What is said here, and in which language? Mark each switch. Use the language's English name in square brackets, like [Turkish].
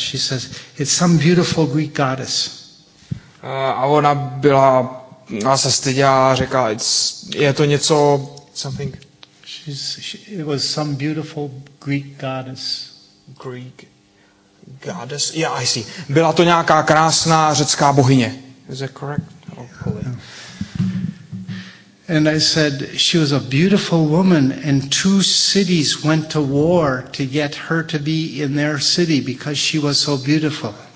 [English] She says, it's some beautiful Greek goddess. [Czech] A ona byla, a se styděla a řekla, je to něco, something. [English] It was some beautiful Greek goddess. Greek goddess? Yeah, I see. [Czech] Byla to nějaká krásná řecká bohyně. [English] Is that correct? Hopefully. And I said, she was a beautiful woman and two cities went to war to get her to be in their city because she was so beautiful.